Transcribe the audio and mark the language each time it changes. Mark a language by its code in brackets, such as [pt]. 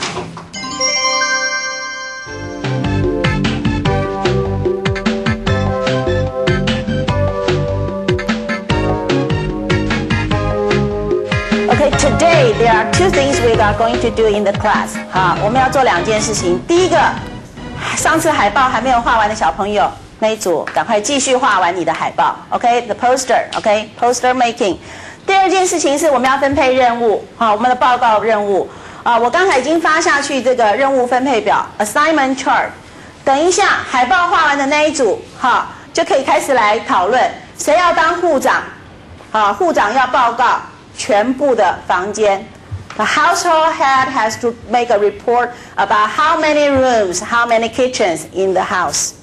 [en] Okay, today there are two things we are going to do in the class. [zh] 好，我们要做两件事情。第一个，上次海报还没有画完的小朋友。那一组赶快继续画完你的海报 ， [en] OK， the poster， OK， poster making。 [zh] 第二件事情是我们要分配任务，好，我们的报告任务。啊，我刚才已经发下去这个任务分配表 ，assignment chart。等一下海报画完的那一组哈，就可以开始来讨论谁要当护长。啊，护长要报告全部的房间。 [en] The household head has to make a report about how many rooms, how many kitchens in the house.